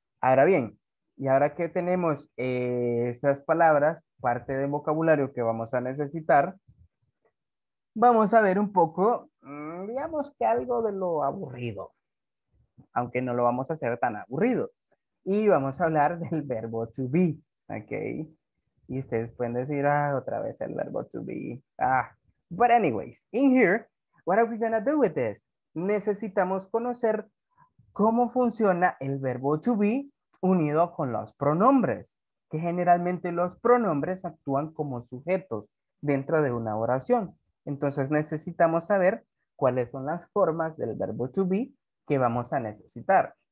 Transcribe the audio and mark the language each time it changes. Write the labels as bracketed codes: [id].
[es] Ahora bien, y ahora que tenemos esas palabras, parte del vocabulario que vamos a necesitar, vamos a ver un poco, digamos que algo de lo aburrido, aunque no lo vamos a hacer tan aburrido. Y vamos a hablar del verbo to be, ¿ok? Y ustedes pueden decir, otra vez el verbo to be. [en] But anyways, in here, what are we gonna do with this? [es] Necesitamos conocer cómo funciona el verbo to be unido con los pronombres, que generalmente los pronombres actúan como sujetos dentro de una oración. Entonces necesitamos saber cuáles son las formas del verbo to be que vamos a necesitar.